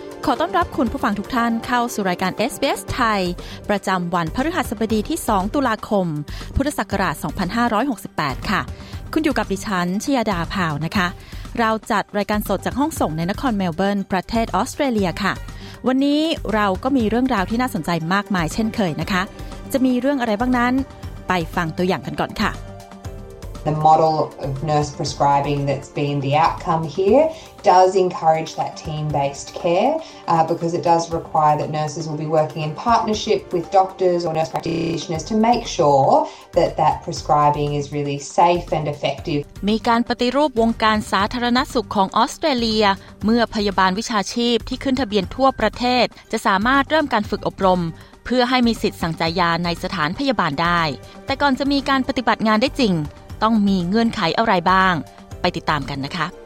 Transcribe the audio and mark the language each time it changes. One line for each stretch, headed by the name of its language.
Thai: ขอต้อนรับคุณผู้ฟังทุกท่านเข้าสู่รายการ SBS ไทยประจำวันพฤหัสบดีที่2ตุลาคมพุทธศักราช2568ค่ะคุณอยู่กับดิฉันชยดาพาวนะคะเราจัดรายการสดจากห้องส่งในนครเมลเบิร์นประเทศออสเตรเลียค่ะวันนี้เราก็มีเรื่องราวที่น่าสนใจมากมายเช่นเคยนะคะจะมีเรื่องอะไรบ้างนั้นไปฟังตัวอย่างกันก่อนค่ะ
English: The model of nurse prescribing that's been the outcome here does encourage that team-based care because it does require that nurses will be working in partnership with doctors or nurse practitioners to make sure that that prescribing is really safe and effective
Thai: มีการปฏิรูปวงการสาธารณสุขของออสเตรเลียเมื่อพยาบาลวิชาชีพที่ขึ้นทะเบียนทั่วประเทศจะสามารถเริ่มการฝึกอบรมเพื่อให้มีสิทธิ์สั่งจ่ายยาในสถานพยาบาลได้แต่ก่อนจะมีการปฏิบัติงานได้จริงต้องมีเงื่อนไขอะไรบ้างไปติดตามกันนะคะ